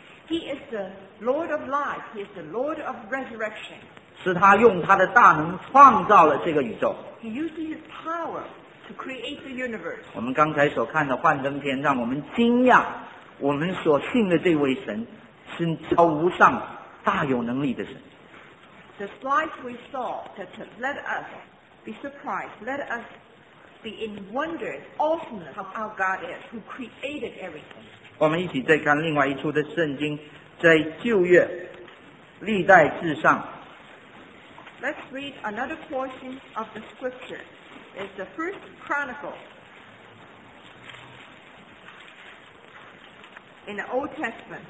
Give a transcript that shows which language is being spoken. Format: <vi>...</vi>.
<en>He is the Lord of life. He is the Lord of resurrection.</en> <zh>是他用他的大能创造了这个宇宙。</zh> <en>He uses his power. to create the universe.</en> <zh>我们刚才所看的幻灯片让我们惊讶，我们所信的这位神是超无上大有能力的神。</zh> <en>The slides we saw that let us be surprised, let us be in wonder, awesomeness of our God is who created everything.</en> <zh>我们一起再看另外一处的圣经，在旧约历代志上。</zh> <en>Let's read another portion of the scripture. It's the first chronicle in the Old Testament.</en>